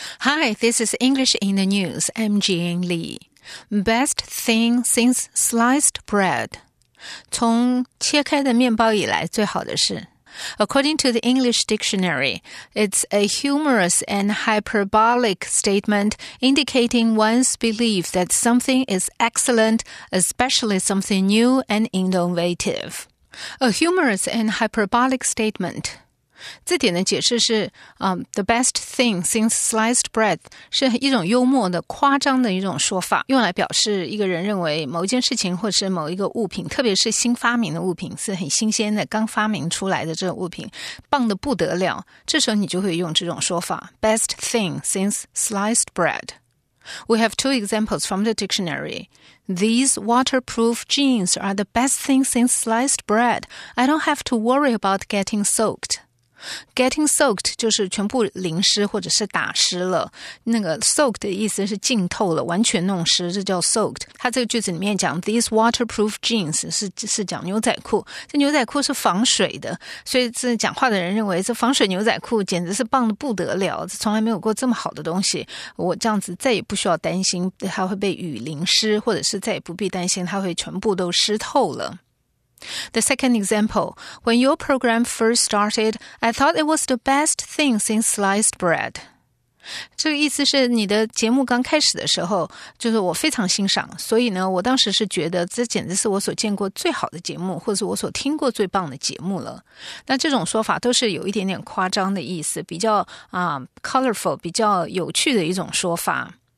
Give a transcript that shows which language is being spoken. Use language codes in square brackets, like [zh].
[en] Hi, this is English in the News. I'm Jian Li. Best thing since sliced bread. [zh] 从切开的面包以来最好的是。 [en] According to the English dictionary, it's a humorous and hyperbolic statement indicating one's belief that something is excellent, especially something new and innovative. A humorous and hyperbolic statement. [zh] 字典的解释是、 The best thing since sliced bread 是一种幽默的夸张的一种说法，用来表示一个人认为某一件事情或是某一个物品，特别是新发明的物品，是很新鲜的，刚发明出来的这个物品棒得不得了，这时候你就会用这种说法 Best thing since sliced bread. [en] We have two examples from the dictionary. These waterproof jeans are the best thing since sliced bread. I don't have to worry about getting soaked. [zh] Getting soaked 就是全部淋湿或者是打湿了，那个 soaked 的意思是浸透了，完全弄湿，这叫 soaked。它这个句子里面讲 These waterproof jeans 是讲牛仔裤，这牛仔裤是防水的，所以这讲话的人认为这防水牛仔裤简直是棒得不得了，从来没有过这么好的东西，我这样子再也不需要担心它会被雨淋湿，或者是再也不必担心它会全部都湿透了。 [en] The second example, when your program first started, I thought it was the best thing since sliced bread. [zh] 这个意思是你的节目刚开始的时候，就是我非常欣赏，所以呢，我当时是觉得这简直是我所见过最好的节目，或是我所听过最棒的节目了。那这种说法都是有一点点夸张的意思，比较colorful, 比较有趣的一种说法。